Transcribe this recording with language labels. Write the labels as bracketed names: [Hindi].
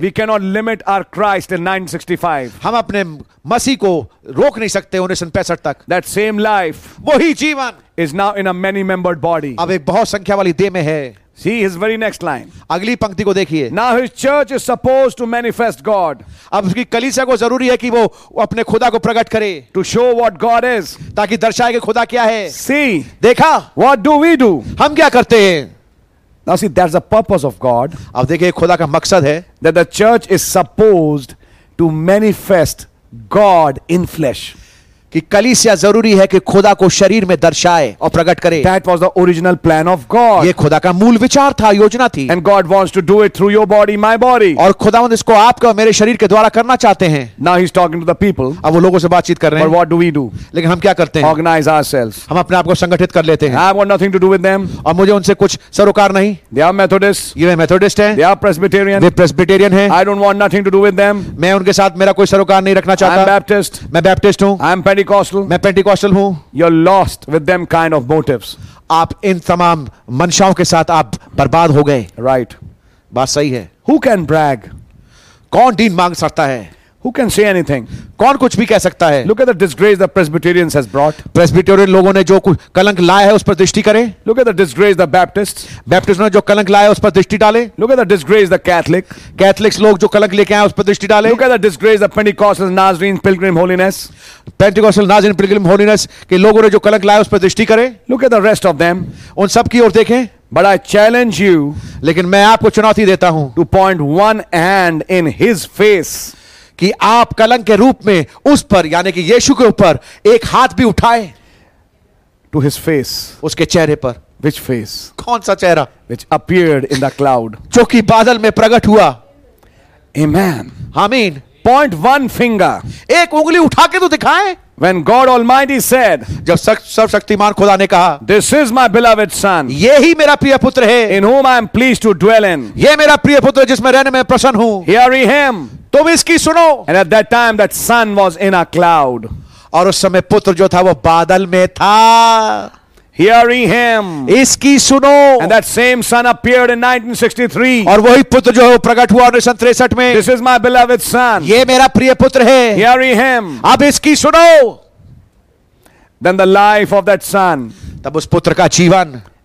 [English] We cannot limit our Christ in 965. [Hindi] हम अपने मसीह को रोक नहीं सकते 1965 तक. [English] That same life. [Hindi] वही जीवन. [English] Is now in a many-membered body. [Hindi] अब एक बहुत संख्या वाली देह में है. [English] See his very next line. [Hindi] अगली पंक्ति को देखिए. [English] Now his church is supposed to manifest God. [Hindi] अब उसकी कलीसिया को जरूरी है कि वो अपने खुदा को प्रकट करे. [English] To show what God is. [Hindi] ताकि दर्शाए कि खुदा क्या है. [English] See. [Hindi] देखा. [English] What do we do? [Hindi] हम क्या करते हैं? [English] Now see, that's the purpose of God. [Hindi] अब देखिए खुदा का मकसद है. [English] That the church is supposed to manifest God in flesh. [Hindi] कि कलीसिया जरूरी है कि खुदा को शरीर में दर्शाए और प्रकट करे. [English] That was the original plan of God. [Hindi] ये खुदा का मूल विचार था, योजना थी. [English] And God wants to do it through your body, my body. [Hindi] और खुदावंद इसको आपके और मेरे शरीर के द्वारा करना चाहते हैं. [English] Now he's talking to the people. [Hindi] अब वो लोगों से बातचीत कर रहे हैं. [English] But what do we do? [Hindi] लेकिन हम क्या करते हैं? [English] Organize ourselves. [Hindi] हम अपने आप को संगठित कर लेते हैं. [English] I have nothing to do with them. [Hindi] और मुझे उनसे कुछ सरोकार नहीं. [English] They are Methodists. [Hindi] ये वे Methodist हैं. [English] They are Presbyterian. [Hindi] Way Presbyterian हैं. [English] I don't want nothing to do with them. [Hindi] मैं उनके साथ मेरा कोई सरोकार नहीं रखना चाहता. [English] I'm Baptist. [Hindi] मैं Baptist हूं. [English] I'm Pentecostal. [Hindi] मैं Pentecostal हूं. [English] You're lost with them kind of motives. [Hindi] आप इन तमाम मंशाओं के साथ आप बर्बाद हो गए. [English] Right. [Hindi] बात सही है. [English] Who can brag? [Hindi] कौन दीन मांग सकता है? [English] Who can say anything? [Hindi] कौन कुछ भी कह सकता है? [English] Look at the disgrace the Presbyterians has brought. [Hindi] Presbyterian लोगों ने जो कलंक लाया है उस पर दृष्टि करें. [English] Look at the disgrace the Baptists. [Hindi] Baptists ने जो कलंक लाया है उस पर दृष्टि डालें. [English] Look at the disgrace the Catholic. [Hindi] Catholics लोग जो कलंक लेके आए उस पर दृष्टि डालें. [English] Look at the disgrace the Pentecostal Nazarene Pilgrim Holiness. [Hindi] Pentecostal Nazarene Pilgrim Holiness के लोगों ने जो कलंक लाया उस पर दृष्टि करें. [English] Look at the rest of them. [Hindi] उन सब की ओर देखें. [English] But I challenge you. [Hindi] लेकिन मैं आपको चुनौती देता हूं. [English] To point one hand in his face. [Hindi] कि आप कलंक के रूप में उस पर यानी कि यीशु के ऊपर एक हाथ भी उठाएं. [English] to his face [Hindi] उसके चेहरे पर. [English] which face [Hindi] कौन सा चेहरा? [English] which appeared in the cloud [Hindi] जो कि बादल में प्रकट हुआ. [English] आमीन [Hindi] आमीन. [English] point one finger [Hindi] एक उंगली उठा के तो दिखाएं. [English] When God Almighty said, [Hindi] जब सर्वशक्तिमान खुदा ने कहा, [English] This is my beloved son, [Hindi] ये ही मेरा प्रिय पुत्र है, [English] in whom I am pleased to dwell in, [Hindi] ये मेरा प्रिय पुत्र जिसमें रहने में प्रसन्न हूँ, [English] hear him, [Hindi] तुम इसकी सुनो, [English] and at that time that son was in a cloud, [Hindi] और उस समय पुत्र जो था वो बादल में था. [English] Hearing him, [Hindi] iski suno, [English] and that same son appeared in 1963. [Hindi] Aur wahi putra jo prakat hua 1963 mein. [English] This is my beloved son. [Hindi] Ye mera priya putra hai. [English] Hearing him, [Hindi] ab iski suno. [English] Then the life of that son, [Hindi] tab us putra ka jeevan,